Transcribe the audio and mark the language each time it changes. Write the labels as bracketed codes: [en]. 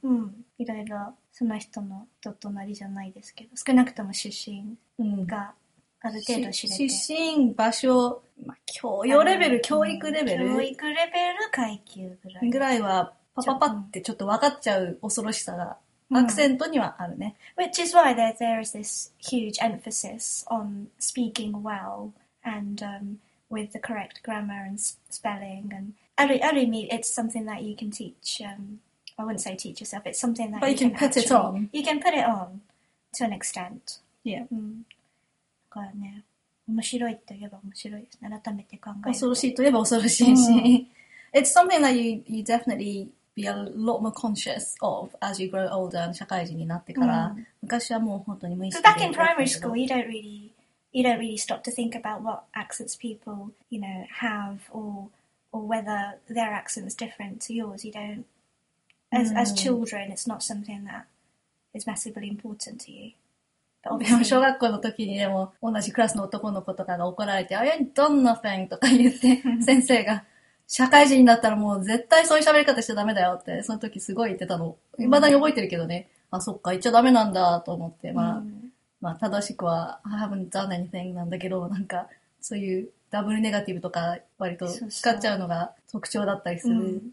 [ja] うん、いろいろその人の人となりじゃないですけど、少なくとも出身がある程度知れて、うん、出身場所、まあ、教養レベル、教育レベル、教育レベル階級ぐらいはパパパってちょっと分かっちゃう恐ろしさがアクセントにはあるね、うん、 [en] Which is why there is this huge emphasis on speaking well and、with the correct grammar and spelling and [ja] ある意味 [en] it's something that you can teachI wouldn't say teach yourself. It's something that but you can put actually, it on. You can put it on to an extent. Yeah. [ja] だからね、面白いと言えば面白いですね。改めて考えると。恐ろしいと言えば恐ろしいし。 [en] It's something that you definitely be a lot more conscious of as you grow older and [ja] 社会人になってから。昔はもう本当に無意識で。 [en] Back in primary school, you don't really stop to think about what accents people, you know, have or whether their accent is different to yours. You don't. As children, it's not something that is massively important to you. [ja] でも小学校の時にでも同じクラスの男の子とかが怒られて、 [en] I ain't done nothing [ja] とか言って先生が社会人になったらもう絶対そういう喋り方しちゃダメだよってその時すごい言ってたの。未だに覚えてるけどね。あ、そっか、言っちゃダメなんだと思って、まあ、まあ正しくは [en] I haven't done anything [ja] なんだけど、なんかそういうダブルネガティブとか割と使っちゃうのが特徴だったりする。